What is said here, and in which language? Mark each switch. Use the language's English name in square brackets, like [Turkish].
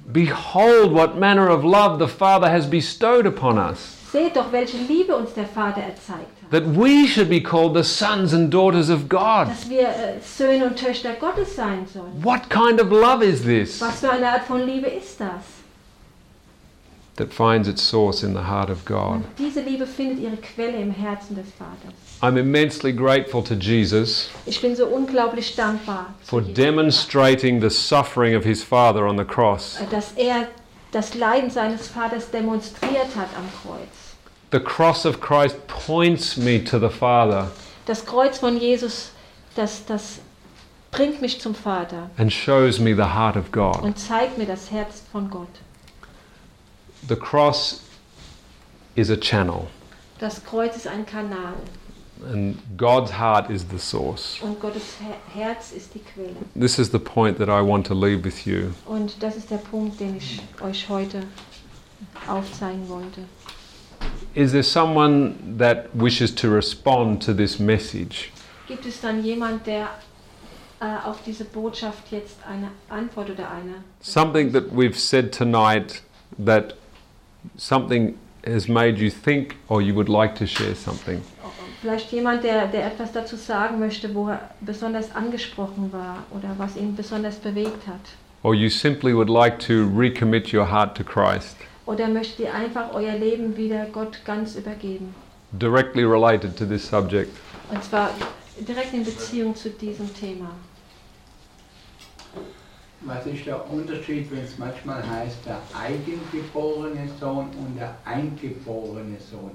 [English] Behold what manner of love the Father has bestowed upon us. [German] Seht doch, welche Liebe uns der Vater erzeigt hat. [English] That we should be called the sons and daughters of God. [German] Dass wir Söhne und Töchter Gottes sein sollen. [English] What kind of love is this? [German] Was für eine Art von Liebe ist das? [English] that finds its source in the heart of God. [German] Und diese Liebe findet ihre Quelle im Herzen des Vaters. [English] I'm immensely grateful to Jesus. [German] Ich bin so unglaublich dankbar. [English] For demonstrating the suffering of his Father on the cross. [German] Dass er das Leiden seines Vaters demonstriert hat am Kreuz. [English] The cross of Christ points me to the Father. [German] Das Kreuz von Jesus, das bringt mich zum Vater. [English] And shows me the heart of God. [German] Und zeigt mir das Herz von Gott. [English] The cross is a channel. [German] Das Kreuz ist ein Kanal. [English] And God's heart is the source. [German] Und Gottes Herz ist die Quelle. [English] This is the point that I want to leave with you. [German] Und das ist der Punkt, den ich euch heute aufzeigen wollte. [English] Is there someone that wishes to respond to this message? [German] Gibt es dann jemand, der auf diese Botschaft jetzt eine Antwort oder eine? [English] Something that we've said tonight, that something has made you think, or you would like to share something. [German] Vielleicht jemand, der etwas dazu sagen möchte, wo er besonders angesprochen war oder was ihn besonders bewegt hat. [English] Or you simply would like to recommit your heart to Christ. [German] Oder möchtet ihr einfach euer Leben wieder Gott ganz übergeben? [English] Directly related to this subject. [German] Und zwar direkt in Beziehung zu diesem Thema. Was ist der Unterschied, wenn es manchmal heißt, der eigengeborene Sohn und der eingeborene Sohn?